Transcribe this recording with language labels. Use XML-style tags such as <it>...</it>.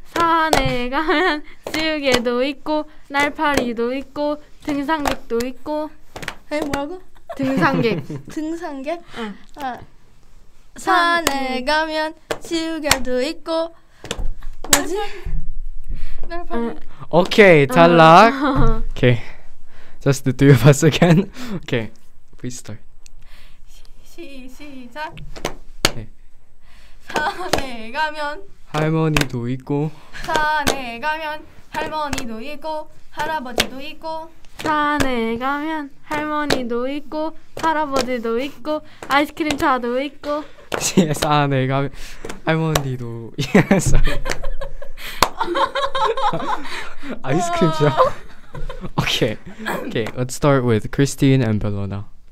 <ko>산에 가면 지옥에도 있고 날파리도 있고 등산객도 있고 에 뭐라고? 등산객. 등산객? 응. 산에 가면 지우개도 있고 뭐지? 오케이 탈락.</ko> <en>오케이 just the three of us again. 오케이 please start.</en> <ko>시작. 산에 가면 할머니도 있고 산에 가면 할머니도 있고 할아버지도 있고 산에 가면 할머니도 있고 할아버지도 있고 아이스크림 차도 있고 산에 가면 할머니도 있어. 아이스크림 차.</ko> <en>오케이 오케이 let's start with Christine and Bellona.</en>